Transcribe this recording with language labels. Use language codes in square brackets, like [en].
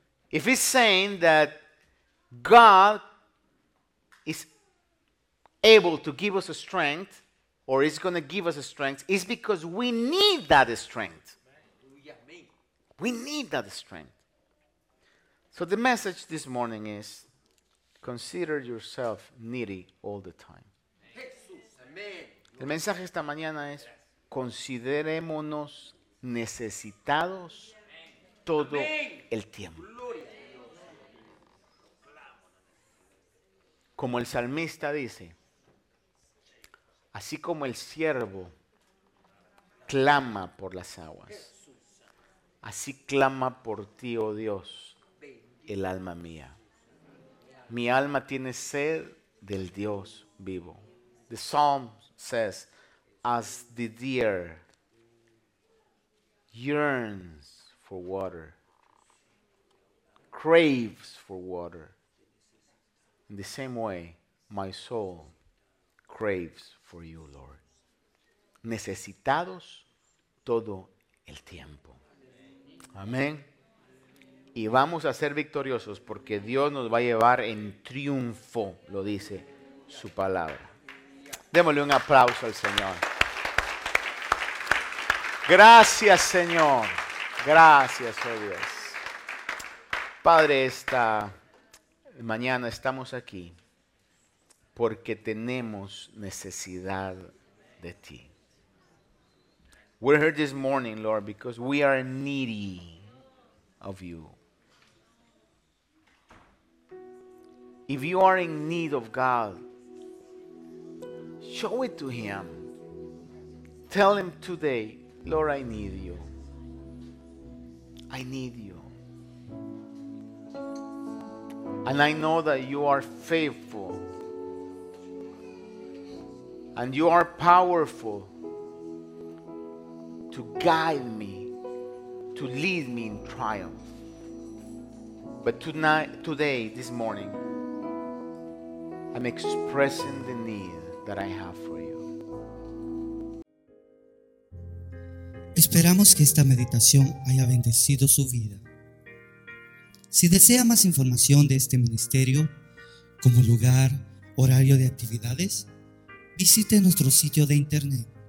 [en] If he's saying that God is able to give us a strength, or is going to give us a strength, it's because we need that strength. We need that strength. So the message this morning is, consider yourself needy all the time. [es] El mensaje esta mañana es, considerémonos necesitados todo el tiempo. Como el salmista dice, así como el siervo clama por las aguas, así clama por ti, oh Dios, el alma mía. Mi alma tiene sed del Dios vivo. [en] The psalm says, as the deer yearns for water, craves for water, in the same way, my soul craves for you, Lord. [es] Necesitados todo el tiempo. Amén. Y vamos a ser victoriosos porque Dios nos va a llevar en triunfo, lo dice su palabra. Démosle un aplauso al Señor. Gracias, Señor. Gracias, oh Dios. Padre, esta mañana estamos aquí porque tenemos necesidad de ti. [en] We're here this morning, Lord, because we are needy of you. If you are in need of God, show it to Him. Tell Him today, Lord, I need you. I need you. And I know that you are faithful. And you are powerful to guide me, to lead me in triumph. But today, this morning, I'm expressing the need that I have for you. [es] Esperamos que esta meditación haya bendecido su vida. Si desea más información de este ministerio, como lugar, horario de actividades, visite nuestro sitio de internet.